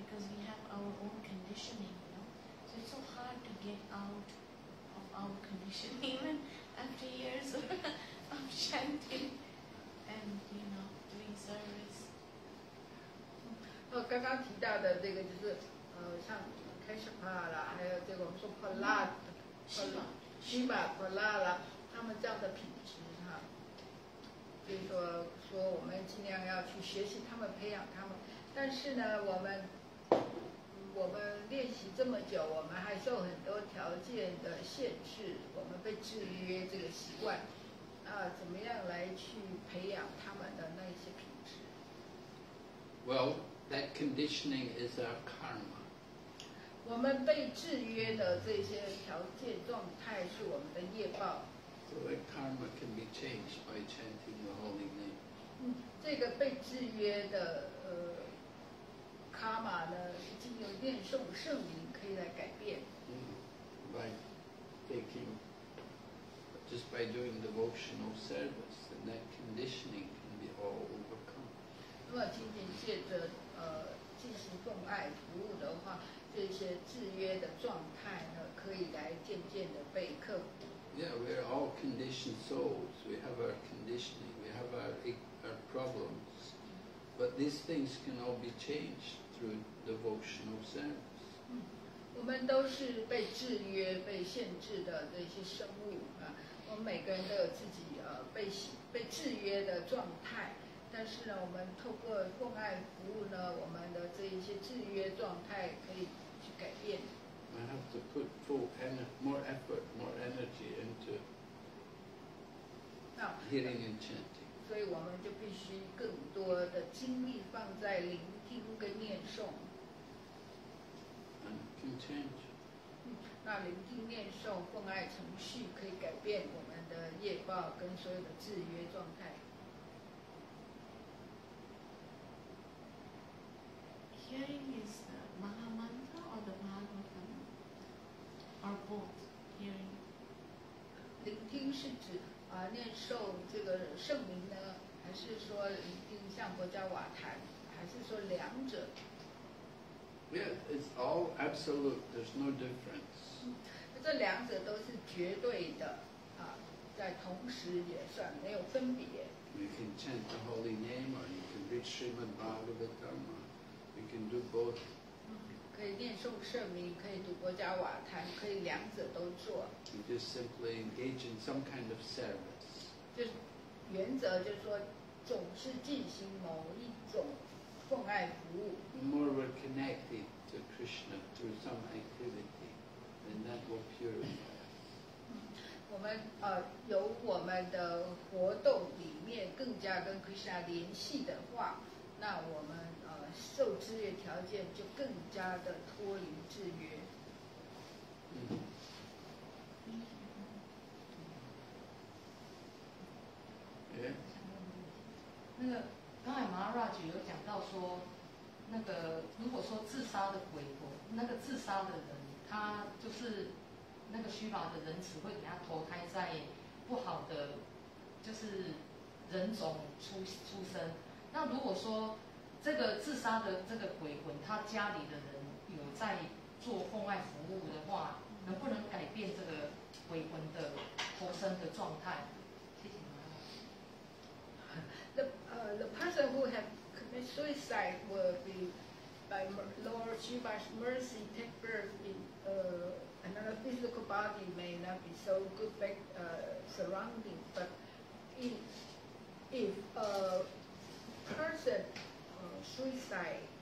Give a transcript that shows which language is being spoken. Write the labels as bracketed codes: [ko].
[en] Because we have our own conditioning, you know. So it's so hard to get out of our conditioning, even after years of chanting and, you know, doing service. [zh] Kashapala, 还有这种说 Pala, Shiva, Pala, 他们这样的品质哈，就是说说我们尽量要去学习他们，培养他们。但是呢，我们练习这么久，我们还受很多条件的限制，我们被制约这个习惯。那怎么样来去培养他们的那些品质 [en] ？Well, that conditioning is our karma. [zh] 我们被制约的这些条件状态是我们的业报。 [en] So that karma can be changed by chanting the holy name. [zh] 这个被制约的karma 呢，是经由念诵圣名可以来改变。 [en] By taking, just by doing devotional service, and that conditioning can be all overcome. [zh] 如果仅仅借着进行奉爱服务的话。这些制约的状态呢，可以来渐渐的被克服。 [en] Yeah, we are all conditioned souls. We have our conditioning. We have our problems. But these things can all be changed through devotional service. [zh] 我们都是被制约、被限制的这些生物啊。我们每个人都有自己被制约的状态。但是呢，我们透过奉爱服务呢，我们的这一些制约状态可以去改变。 [en] I have to put full more effort, more energy into hearing and chanting. [zh] 所以我们就必须更多的精力放在聆听跟念诵。 [en] And can change. [zh] 那聆听念诵奉爱程序可以改变我们的业报跟所有的制约状态。 [en] Hearing is the Maha Mantra or the Mahamantra, or both hearing. [zh] 聆听是指啊念诵这个圣名呢，还是说聆听像国家瓦坛，还是说两者 [en] ？Yeah, it's all absolute. There's no difference. [zh] 这两者都是绝对的啊，在同时也算没有分别。 [en] You can chant the holy name, or you can read Srimad Bhagavatam. You can do both. [zh] 可以念诵圣名，可以读国家瓦坛，可以两者都做。 [en] You just simply engage in some kind of service. [zh] 就原则就是说，总是进行某一种奉爱服务。 [en] The more we're connected to Krishna through some activity, then that will purify us. [zh] 我们由我们的活动里面更加跟 Krishna 联系的话。那我们受制约条件就更加的脱离制约。那个刚才 Maharaj 有讲到说，那个如果说自杀的鬼魂，那个自杀的人，他就是那个虚法的仁慈会给他投胎在不好的，就是人种出生。那如果说这个自杀的这个鬼魂，他家里的人有在做奉爱服务的话，能不能改变这个鬼魂的投生的状态？谢谢妈妈。 [en] The person who have committed suicide will be by Lord Shiva's mercy take birth in another physical body, may not be so good back surrounding, but if a person suicide